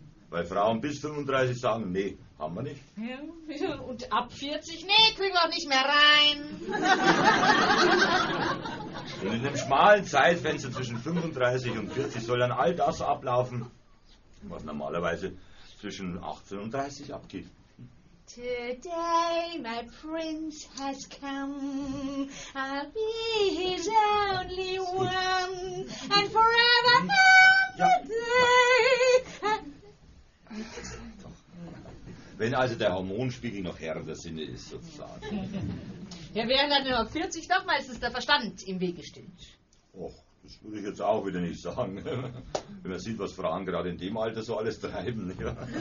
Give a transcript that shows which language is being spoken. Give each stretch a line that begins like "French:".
German: Weil Frauen bis 35 sagen, nee, haben wir nicht. Ja, und ab 40, nee, kriegen wir auch nicht mehr rein. Und in dem schmalen Zeitfenster zwischen 35 und 40 soll dann all das ablaufen, was normalerweise zwischen 18 und 30 abgeht.
English: Today my prince has come, I'll be his only one, and forever and a day.
German: Wenn also der Hormonspiegel noch Herr der Sinne ist, sozusagen. Ja, während er nur 40 noch meistens der Verstand im Wege steht. Och, das würde ich jetzt auch wieder nicht sagen. Wenn man sieht, was Frauen gerade in dem Alter so alles treiben. Ja.